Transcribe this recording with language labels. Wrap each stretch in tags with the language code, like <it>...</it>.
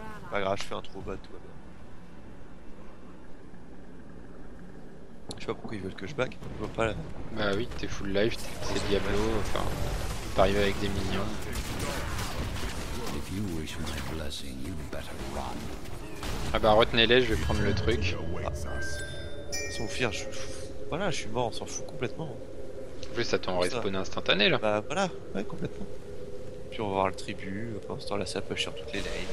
<fr>Pas grave, je fais un trou bas, tout va bien. Je sais pas pourquoi ils veulent que je back, je vois pas là. Bah oui, t'es full life, c'est Diablo, enfin, t'arrives avec des minions.</fr> <en>You wish my blessing, you better run.</en> <fr>Ah bah retenez-les, je vais prendre le truc. Sans fuir, voilà, je suis mort, on s'en fout complètement. En plus, ça t'en respawn instantané là. Bah voilà, ouais, complètement. Puis on va voir le tribu, pour l'instant là, ça push sur toutes les lanes.</fr>